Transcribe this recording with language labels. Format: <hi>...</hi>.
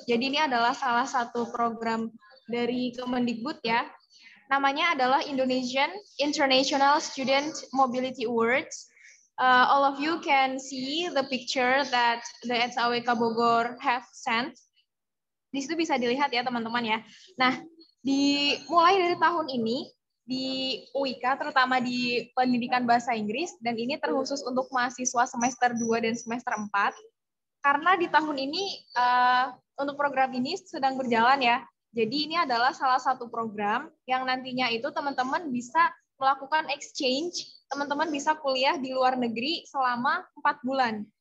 <id>Jadi ini adalah salah satu program dari Kemendikbud ya. Namanya adalah Indonesian International Student Mobility Awards.</id> <en>All of you can see the picture that the SAWK Bogor have sent.</en> <id>Di situ bisa dilihat ya teman-teman ya. Nah, dimulai dari tahun ini di UIK, terutama di pendidikan bahasa Inggris, dan ini terkhusus untuk mahasiswa semester 2 dan semester 4. Karena di tahun ini, untuk program ini sedang berjalan ya, jadi ini adalah salah satu program yang nantinya itu teman-teman bisa melakukan exchange, teman-teman bisa kuliah di luar negeri selama 4 bulan.</id>